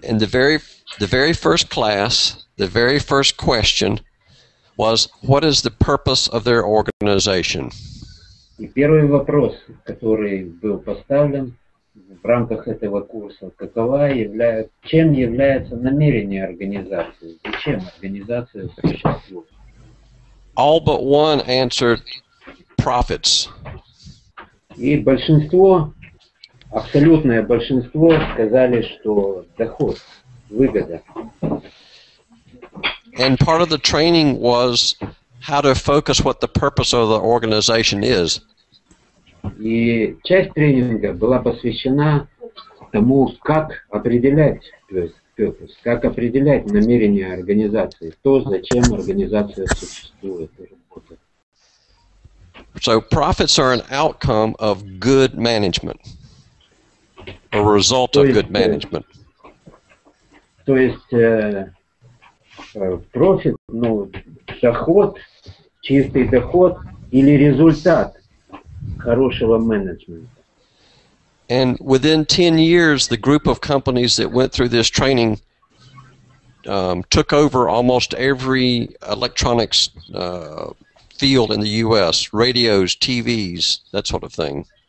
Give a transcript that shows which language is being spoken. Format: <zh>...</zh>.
<en>And the very first class, the very first question was, what is the purpose of their organization?</en> <ru>И первый вопрос, который был поставлен в рамках этого курса, чем является намерение организации? Зачем организация существует?</ru> <en>All but one answered profits.</en> <ru>И абсолютное большинство сказали, что доход, выгода.</ru> <en>And part of the training was how to focus what the purpose of the organization is.</en> <ru>И часть тренинга была посвящена тому, как определять намерения организации, то, зачем организация существует и работает.</ru> <en>So profits are an outcome of good management, a result of good management.</en> <ru>То есть профит, ну, доход, чистый доход или результат хорошего менеджмента.</ru> <en>And within 10 years, the group of companies that went through this training took over almost every electronics field in the U.S., radios, TVs, that sort of thing.</en>